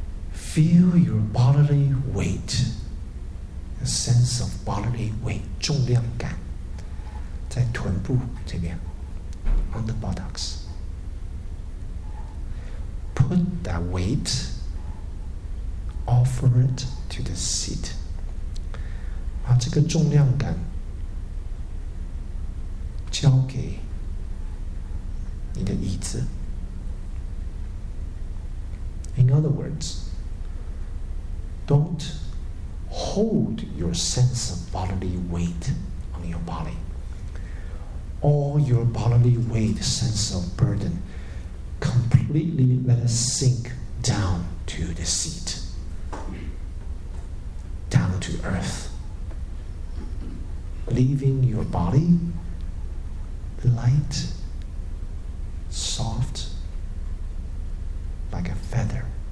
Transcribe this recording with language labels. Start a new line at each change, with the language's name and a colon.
English: Feel your bodily weight, a sense of bodily weight,
Chinese: 重量感在臀部这边
English: on the buttocks. Put that weight, offer it to the seat.
Chinese: 把这个重量感交给你的椅子。
English: In other words,Don't hold your sense of bodily weight on your body. All your bodily weight, sense of burden, completely let it sink down to the seat, down to earth, leaving your body light, soft, like a feather.